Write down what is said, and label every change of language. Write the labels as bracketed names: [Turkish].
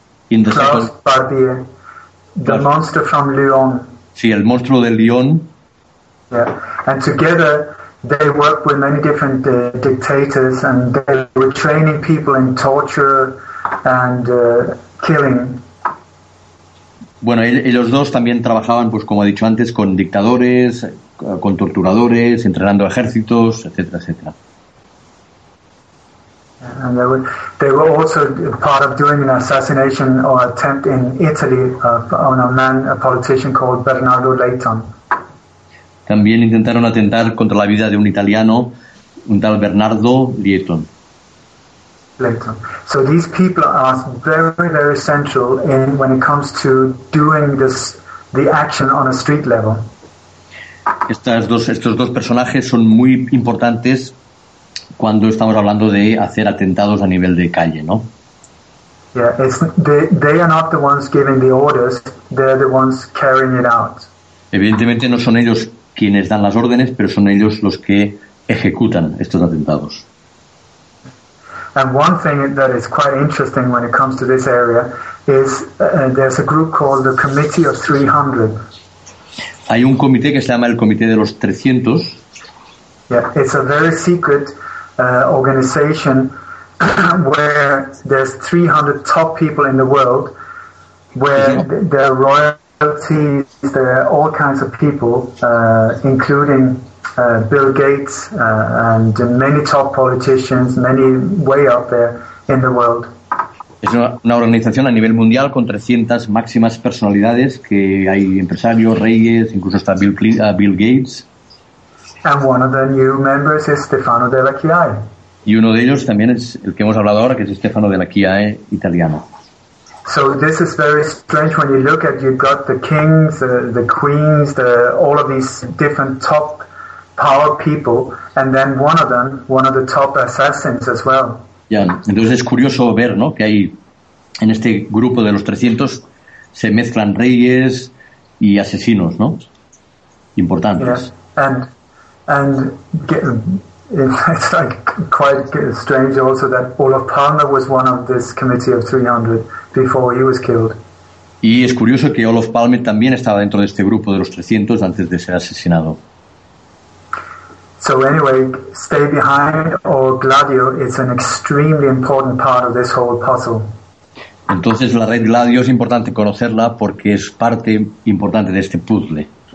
[English] In the Klaus second... Barbier. The Klaus. Monster from Lyon. [Spanish] Sí, el monstruo de Lyon. [English] Yeah, and together they worked with many different dictators and they were training people in torture and killing. [Spanish] Bueno, ellos dos también trabajaban, pues como he dicho antes, con dictadores, con torturadores, entrenando ejércitos, etcétera, etcétera. [English] And they were also part of doing an assassination or attempt in Italy on a man, a politician called Bernardo Leighton. [Spanish] También intentaron atentar contra la vida de un italiano, un tal Bernardo Leighton. [English] So these people are very, very central in when it comes to doing this, the action on a street level. [Spanish] Estos dos personajes son muy importantes cuando estamos hablando de hacer atentados a nivel de calle, ¿no? [English] Yeah, they are not the ones giving the orders; they're the ones carrying it out. [Spanish] Evidentemente, no son ellos quienes dan las órdenes, pero son ellos los que ejecutan estos atentados. [English] And one thing that is quite interesting when it comes to this area is there's a group called the Committee of 300. [Spanish] Hay un comité que se llama el Comité de los 300. [English] Yeah, it's a very secret organization where there's 300 top people in the world, where there are royalties, there are all kinds of people, including Bill Gates and many top politicians, many way up there in the world. [Spanish] Es una organización a nivel mundial con 300 máximas personalidades, que hay empresarios, reyes, incluso está Bill Gates. [English] And one of the new members is Stefano Della Chiaia. [Spanish] Y uno de ellos también es el que hemos hablado ahora, que es Stefano Della Chiaia, italiano. [English] So this is very strange when you look at, you've got the kings, the queens, all of these different top power people, and then one of them, one of the top assassins as well. [Spanish] Ya, entonces es curioso ver, ¿no?, que hay en este grupo de los 300 se mezclan reyes y asesinos, ¿no?, importantes. [English] Yeah. And it's like quite strange also that Olaf Palme was one of this committee of 300 before he was killed. [Spanish] Y es curioso que Olaf Palme también estaba dentro de este grupo de los 300 antes de ser asesinado. [English] So anyway, Stay Behind or Gladio is an extremely important part of this whole puzzle. [Spanish] Entonces la red Gladio es importante conocerla porque es parte importante de este puzzle.